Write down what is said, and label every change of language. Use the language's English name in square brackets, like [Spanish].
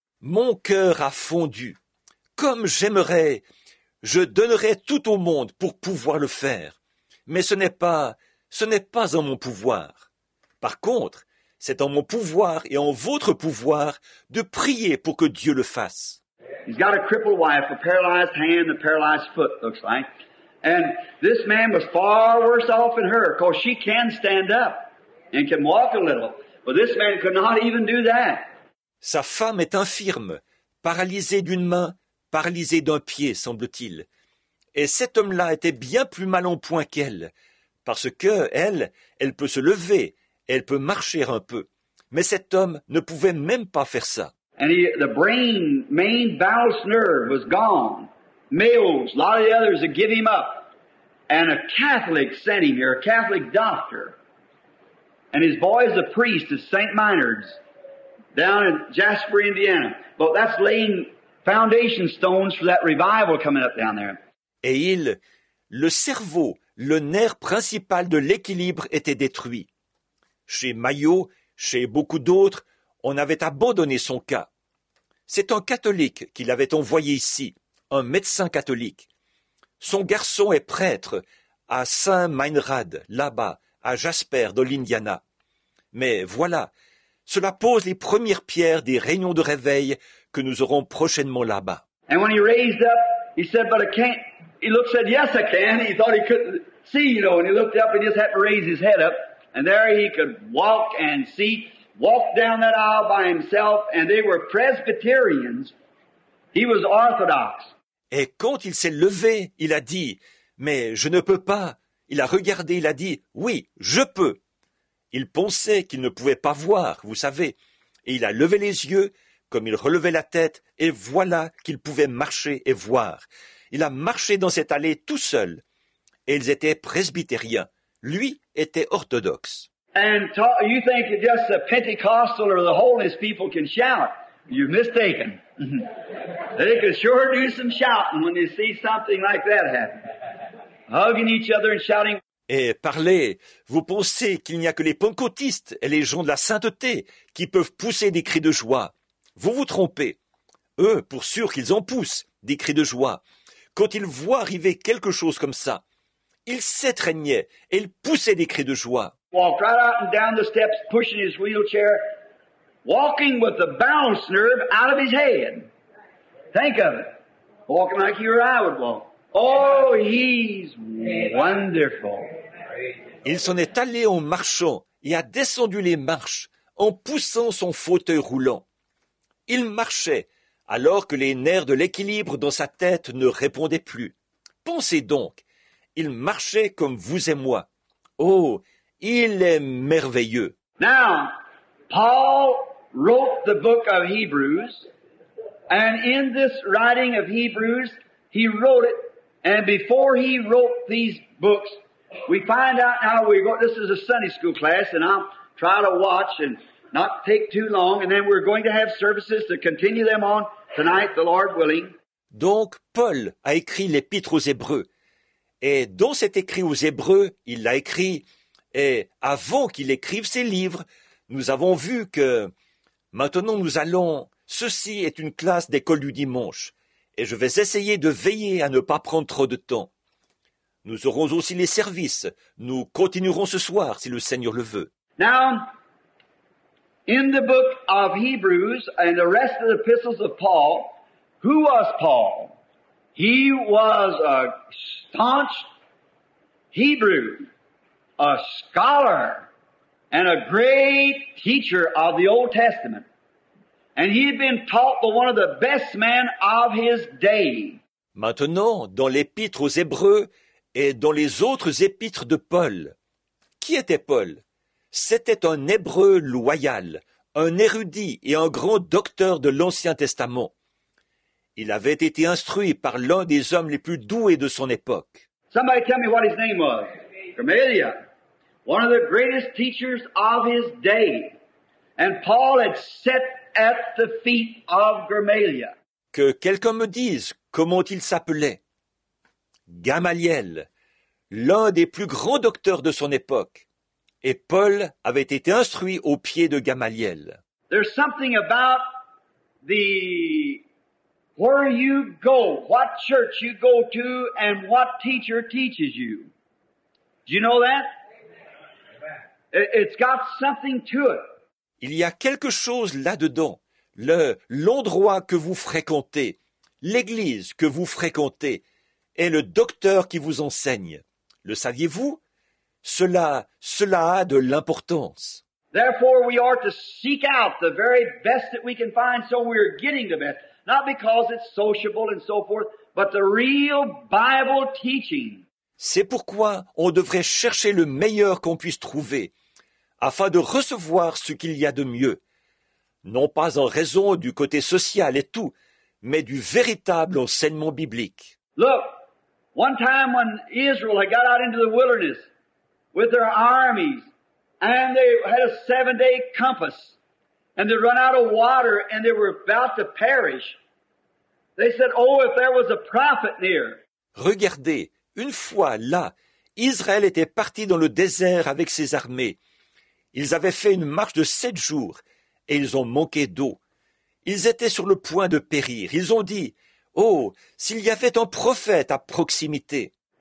[French] Mon cœur a fondu. Comme j'aimerais, je donnerais tout au monde pour pouvoir le faire. Mais ce n'est pas en mon pouvoir. Par contre, c'est en mon pouvoir et en votre pouvoir de prier pour que Dieu le fasse. [English] He's got a crippled wife, a paralyzed hand, a paralyzed foot, looks like. And this man was far worse off than her, because she can stand up and can walk a little. But this man could not even do that. [French] Sa femme est infirme, paralysée d'une main, paralysée d'un pied, semble-t-il. Et cet homme-là était bien plus mal en point qu'elle, parce que elle peut se lever. Elle peut marcher un peu, mais cet homme ne pouvait même pas faire ça. [English] And the brain, main vagus nerve was gone. Mayo's, a lot of the others had given him up. And a Catholic sent him here, a Catholic doctor. And his boy is a priest at St. Minard's, down in Jasper, Indiana. But that's laying foundation stones for that revival coming up down there. [French] Et il, le cerveau, le nerf principal de l'équilibre était détruit. Chez Mayo, chez beaucoup d'autres, on avait abandonné son cas. C'est un catholique qui l'avait envoyé ici, un médecin catholique. Son garçon est prêtre à Saint Meinrad, là-bas, à Jasper, dans l'Indiana. Mais voilà, cela pose les premières pierres des réunions de réveil que nous aurons prochainement là-bas. [English] And when he raised up, he said, but I can't. He looked, said, yes, I can. He thought he couldn't see, you know, and he looked up and just had to raise his head up. And there he could walk and see, walk down that aisle by himself, and they were Presbyterians. He was Orthodox. [French] Et quand il s'est levé, il a dit, mais je ne peux pas. Il a regardé, il a dit, oui, je peux. Il pensait qu'il ne pouvait pas voir, vous savez. Et il a levé les yeux, comme il relevait la tête, et voilà qu'il pouvait marcher et voir. Il a marché dans cette allée tout seul. Et ils étaient presbytériens. Lui était orthodoxe. [English] And you think that just the Pentecostal or the holiness people can shout? You're mistaken. They could sure do some shouting when they see something like that happen. Hugging each other and shouting. [French] Et parlez, vous pensez qu'il n'y a que les pentecôtistes et les gens de la sainteté qui peuvent pousser des cris de joie. Vous vous trompez. Eux, pour sûr qu'ils en poussent, des cris de joie. Quand ils voient arriver quelque chose comme ça, ils s'étreignaient et ils poussaient des cris de joie. [English] Walked right out and down the steps, pushing his wheelchair, walking with the balance nerve out of his head. Think of it. Walking like you or I would walk. Oh, he's wonderful. [French] Il s'en est allé en marchant et a descendu les marches en poussant son fauteuil roulant. Il marchait alors que les nerfs de l'équilibre dans sa tête ne répondaient plus. Pensez donc, il marchait comme vous et moi. Oh, il est merveilleux. [English] Now, Paul wrote the book of Hebrews, and in this writing of Hebrews, he wrote it. And before he wrote these books, we find out now we're going, this is a Sunday school class, and I'll try to watch and not take too long, and then we're going to have services to continue them on tonight, the Lord willing. [French] Donc, Paul a écrit l'Épître aux Hébreux. Et dans cet écrit aux Hébreux, il l'a écrit, et avant qu'il écrive ses livres, nous avons vu que maintenant nous allons, ceci est une classe d'école du dimanche. Et je vais essayer de veiller à ne pas prendre trop de temps. Nous aurons aussi les services. Nous continuerons ce soir, si le Seigneur le veut. [English] Now, in the book of Hebrews and the rest of the epistles of Paul, who was Paul? He was a staunch Hebrew, a scholar, and a great teacher of the Old Testament. And he had been taught by one of the best men of his day. [French] Maintenant, dans l'Épître aux Hébreux et dans les autres épîtres de Paul, qui était Paul? C'était un Hébreu loyal, un érudit et un grand docteur de l'Ancien Testament. Il avait été instruit par l'un des hommes les plus doués de son époque. [English] Somebody tell me what his name was. Gamaliel, one of the greatest teachers of his day. And Paul had set at the feet of Gamaliel. [French] Que quelqu'un me dise comment il s'appelait. Gamaliel, l'un des plus grands docteurs de son époque. Et Paul avait été instruit au pied de Gamaliel. [English] There's something about the where you go, what church you go to, and what teacher teaches you. Do you know that? It's got something to it. [French] Il y a quelque chose là-dedans, l'endroit que vous fréquentez, l'église que vous fréquentez, et le docteur qui vous enseigne. Le saviez-vous? Cela a de l'importance. [English] Therefore, we are to seek out the very best that we can find, so we are getting the best. Not because it's sociable and so forth, but the real Bible teaching. [French] C'est pourquoi on devrait chercher le meilleur qu'on puisse trouver, afin de recevoir ce qu'il y a de mieux, non pas en raison du côté social et tout, mais du véritable enseignement biblique. [English] Look, one time when Israel had got out into the wilderness with their armies, and they had a 7-day compass, and they run out of water, and they were about to perish, they said, oh, if there was a prophet near. [French] Regardez, une fois là, Israël était parti dans le désert avec ses armées. Ils avaient fait une marche de 7 jours et ils ont manqué d'eau. Ils étaient sur le point de périr. Ils ont dit, « Oh, s'il y avait un prophète à proximité !»